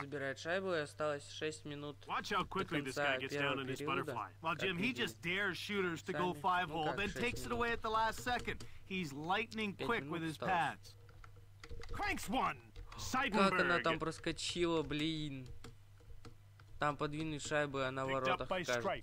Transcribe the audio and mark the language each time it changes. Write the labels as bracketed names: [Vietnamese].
[Russian] Он забирает шайбу и осталось 6 минут. [English] Watch how quickly this guy gets down in his butterfly. Well, Jim, he just dares shooters to go five hole, then takes it away at the last second. He's lightning quick with his pads. Cranks one. Seidenberg. [Russian] Как она там проскочила, блин. Там подвинули шайбу, и она в воротах, кажется.